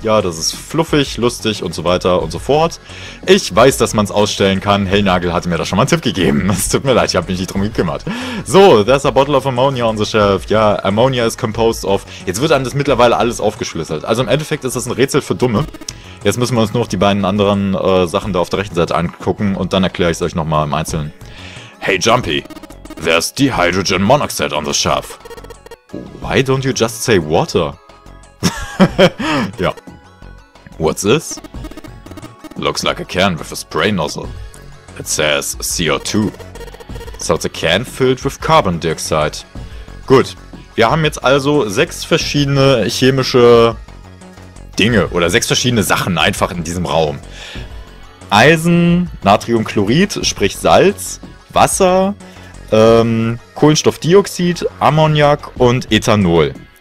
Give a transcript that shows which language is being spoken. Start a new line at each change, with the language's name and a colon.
German: Ja, das ist fluffig, lustig und so weiter und so fort. Ich weiß, dass man es ausstellen kann. Hellnagel hatte mir da schon mal einen Tipp gegeben. Es tut mir leid, ich habe mich nicht drum gekümmert.
English: So, there's a bottle of ammonia on the shelf.
German: Ja,
English: ammonia is composed of...
German: Jetzt wird einem das mittlerweile alles aufgeschlüsselt. Also im Endeffekt ist das ein Rätsel für Dumme. Jetzt müssen wir uns nur noch die beiden anderen Sachen da auf der rechten Seite angucken und dann erkläre ich es euch nochmal im Einzelnen.
English: Hey Jumpy, there's dehydrogen monoxide on the shelf. Why don't you just say water? Ja. What's this? Looks like a can with a spray nozzle. It says CO2. So it's a can filled with carbon dioxide.
German: Gut. Wir haben jetzt also 6 verschiedene chemische Dinge oder 6 verschiedene Sachen einfach in diesem Raum. Eisen, Natriumchlorid, sprich Salz, Wasser, Kohlenstoffdioxid, Ammoniak und Ethanol.